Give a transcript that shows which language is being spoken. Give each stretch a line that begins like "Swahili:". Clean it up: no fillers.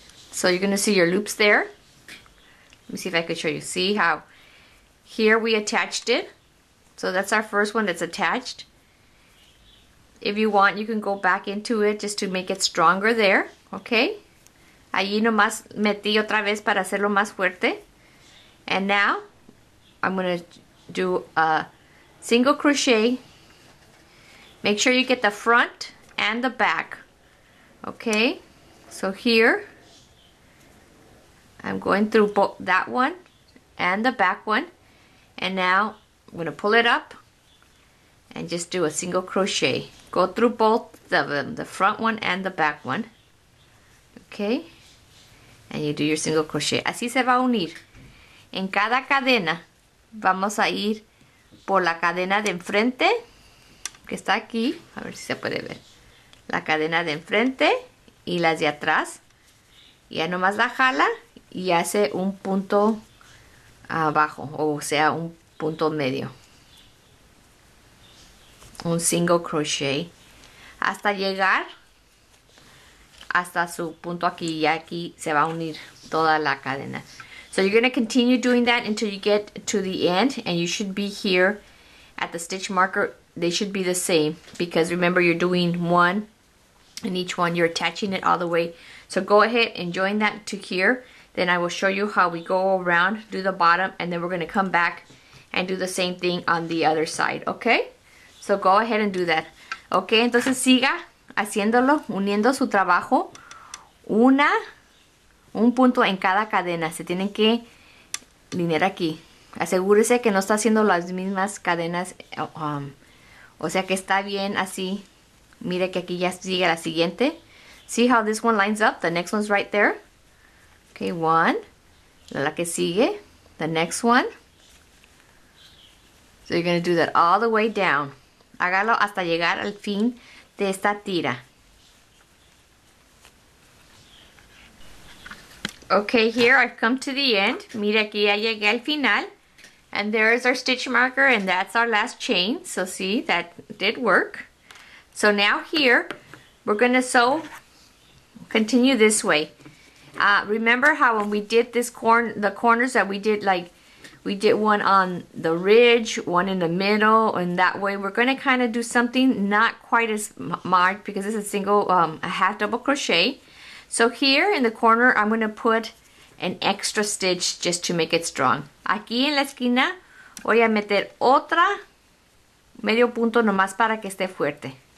English: So you're gonna see your loops there. Let me see if I could show you. See how here we attached it. So that's our first one that's attached. If you want, you can go back into it just to make it stronger there, okay?
Spanish: Allí nomás metí otra vez para hacerlo más fuerte.
English: And now, I'm gonna do a single crochet. Make sure you get the front and the back, okay? So here, I'm going through both that one and the back one. And now, I'm gonna pull it up and just do a single crochet. Go through both of them, the front one and the back one, okay? And you do your single crochet.
Spanish: Así se va a unir. En cada cadena, vamos a ir por la cadena de enfrente, que está aquí, a ver si se puede ver. La cadena de enfrente y las de atrás. Ya nomás la jala y hace un punto abajo, o sea, un punto medio. Un single crochet. Hasta llegar hasta su punto aquí, y aquí se va a unir toda la cadena.
English: So you're gonna continue doing that until you get to the end, and you should be here at the stitch marker. They should be the same, because remember, you're doing one in each one. You're attaching it all the way. So go ahead and join that to here. Then I will show you how we go around, do the bottom, and then we're gonna come back and do the same thing on the other side, okay? So go ahead and do that.
Spanish: Okay, entonces siga haciéndolo, uniendo su trabajo, un punto en cada cadena. Se tienen que linear aquí. Asegúrese que no está haciendo las mismas cadenas, o sea que está bien así. Mire que aquí ya sigue la siguiente.
English: See how this one lines up? The next one's right there. Okay, one.
Spanish: La que sigue.
English: The next one. So you're going to do that all the way down.
Spanish: Hágalo hasta llegar al fin de esta tira.
English: Okay, here I've come to the end.
Spanish: Mira, aquí ya llegué al final.
English: And there is our stitch marker, and that's our last chain. So see, that did work. So now here, we're gonna sew, continue this way. Remember how when we did this the corners that we did, like, we did one on the ridge, one in the middle, and that way we're gonna kind of do something not quite as marked, because it's a single, a half double crochet. So here in the corner, I'm gonna put an extra stitch just to make it strong.
Spanish: Aquí en la esquina, voy a meter otra medio punto nomás para que esté fuerte.